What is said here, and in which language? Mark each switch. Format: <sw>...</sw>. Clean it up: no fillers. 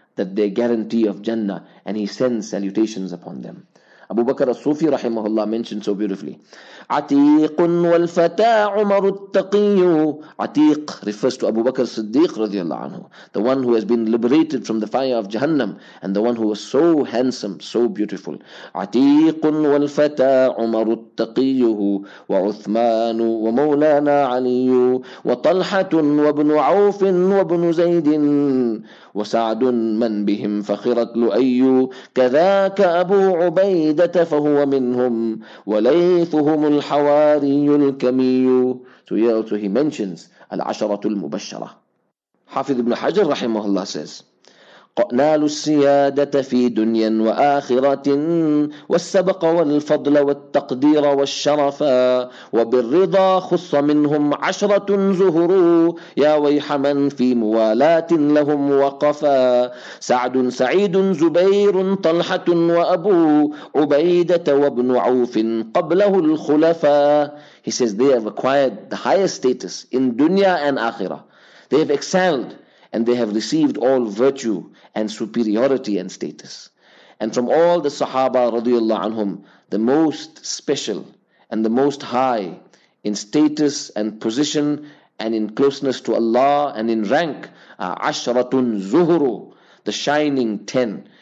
<en>that their guarantee of Jannah, and he sends salutations upon them. Abu Bakr al-Sufi rahimahullah mentioned so beautifully,</en> <ar>Atiqun wal fata Umar al-Taqiyu.</ar> <en>Atiq refers to Abu Bakr al-Siddiq radiallahu anhu, the one who has been liberated from the fire of Jahannam, and the one who was so handsome, so beautiful.</en> <ar>Atiqun wal fata Umar al-Taqiyu wa Uthman wa Mawlana Ali wa Talha wa ibn Auf wa ibn Zayd وسعد من بهم فخرت لؤي كذاك أبو عبيدة فهو منهم وليثهم الحواري الكمي.</ar> <en>So here also he mentions العشرة المبشرة.</en> <ar>حافظ ابن حجر رحمه الله says, نالوا السيادة في دنيا وآخرة والسبق والفضل والتقدير والشرفا وبالرضا خص منهم عشرة زهروا يا ويح من في موالاة لهم وقفا سعد سعيد زبير طلحة وأبو عبيدة وابن عوف قبله الخلفاء.</ar> <en>He says they have acquired the highest status in dunya and akhirah. They have excelled and they have received all virtue and superiority and status. And from all the Sahaba radiallahu anhum, the most special and the most high in status and position and in closeness to Allah and in rank are Ashratun Zuhuru, the shining 10.</en>